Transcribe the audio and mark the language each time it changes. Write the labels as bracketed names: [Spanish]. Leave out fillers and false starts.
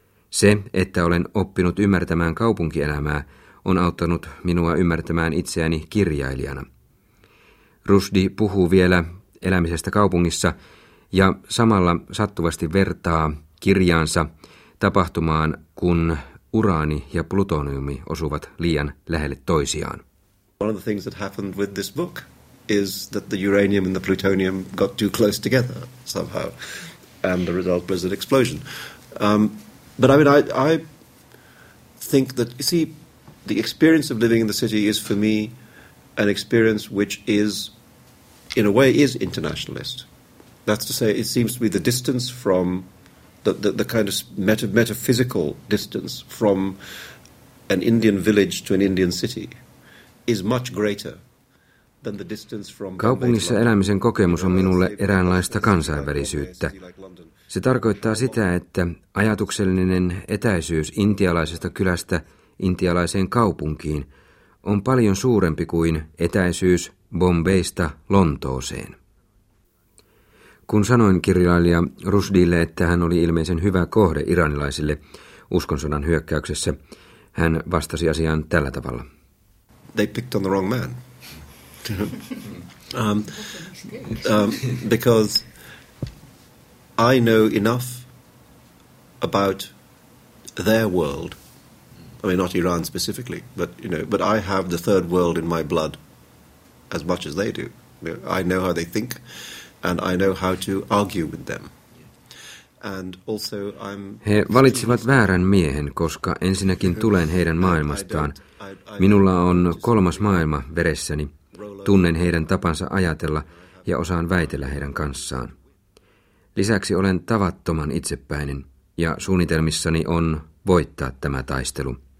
[Finnish] Se, että olen oppinut ymmärtämään kaupunkielämää, on auttanut minua ymmärtämään itseäni kirjailijana. Rushdie puhuu vielä elämisestä kaupungissa ja samalla sattuvasti vertaa kirjaansa tapahtumaan, kun uraani ja plutoniumi osuvat liian lähelle toisiaan. [English] One of the things that happened with this book is that the uranium and the plutonium got too close together somehow, and the result was an explosion. But I think that, you see, the experience of living in the city is for me an experience which is, in a way, is internationalist. That's to say, it seems to be the distance from, the kind of metaphysical distance from an Indian village to an Indian city is much greater. [Finnish] Kaupungissa elämisen kokemus on minulle eräänlaista kansainvälisyyttä. Se tarkoittaa sitä, että ajatuksellinen etäisyys intialaisesta kylästä intialaiseen kaupunkiin on paljon suurempi kuin etäisyys Bombeista Lontooseen. Kun sanoin kirjailija Rushdille, että hän oli ilmeisen hyvä kohde iranilaisille uskonsodan hyökkäyksessä, hän vastasi asiaan tällä tavalla. [English] They picked on the wrong man. because I know enough about their world. I mean, not Iran specifically, but I have the third world in my blood as much as they do. I know how they think, and I know how to argue with them. And also, [Finnish] he valitsivat väärän miehen, koska ensinnäkin tulen heidän maailmastaan. Minulla on 3. maailma veressäni. Tunnen heidän tapansa ajatella ja osaan väitellä heidän kanssaan. Lisäksi olen tavattoman itsepäinen ja suunnitelmissani on voittaa tämä taistelu.